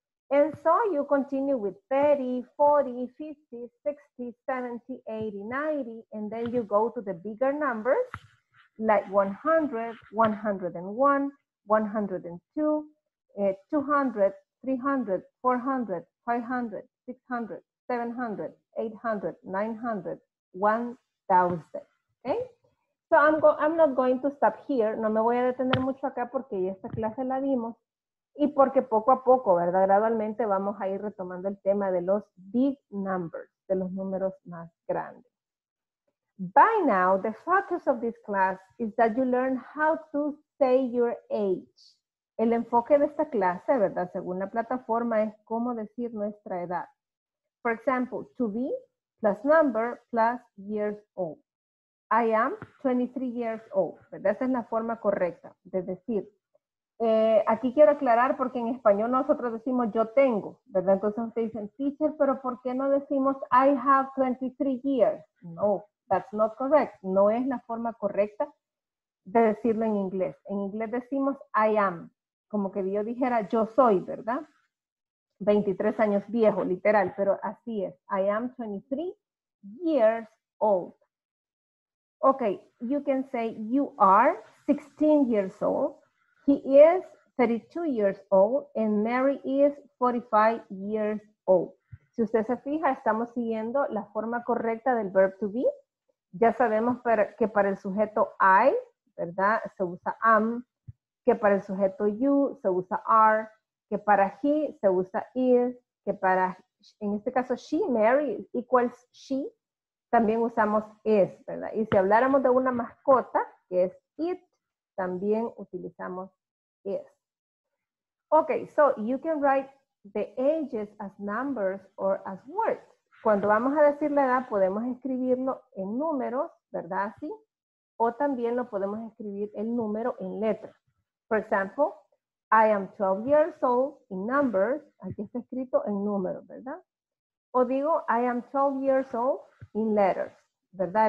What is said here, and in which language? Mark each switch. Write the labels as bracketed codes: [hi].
[en] And so you continue with 30, 40, 50, 60, 70, 80, 90, and then you go to the bigger numbers, like 100, 101, 102, 200, 300, 400, 500, 600, 700, 800, 900, 1,000. Okay? So I'm not going to stop here. [es] No me voy a detener mucho acá porque ya esta clase la dimos. Y porque poco a poco, ¿verdad? Gradualmente vamos a ir retomando el tema de los [en] big numbers, [es] de los números más grandes. [en] By now, the focus of this class is that you learn how to say your age. [es] El enfoque de esta clase, ¿verdad? Según la plataforma, es cómo decir nuestra edad. [en] For example, to be plus number plus years old. I am 23 years old, [es] ¿verdad? Esa es la forma correcta de decir. Aquí quiero aclarar porque en español nosotros decimos yo tengo, ¿verdad? Entonces ustedes dicen, teacher, pero ¿por qué no decimos [en] I have 23 years? No, that's not correct. [es] No es la forma correcta de decirlo en inglés. En inglés decimos I am, como que yo dijera yo soy, ¿verdad? 23 años viejo, literal, pero así es. [en] I am 23 years old. Ok, you can say you are 16 years old. He is 32 years old and Mary is 45 years [es] O. Si usted se fija, estamos siguiendo la forma correcta del verb to be. Ya sabemos que para el sujeto I, ¿verdad? Se usa am, que para el sujeto you se usa are, que para he se usa is, que para, en este caso, she, Mary, equals she, también usamos is, ¿verdad? Y si habláramos de una mascota, que es it, también utilizamos is. [en] Ok, so you can write the ages as numbers or as words. [es] Cuando vamos a decir la edad, podemos escribirlo en números, ¿verdad? Así. O también lo podemos escribir el número en letras. [en] For example, I am 12 years old in numbers. [es] Aquí está escrito en números, ¿verdad? O digo, [en] I am 12 years old in letters, [es] ¿verdad?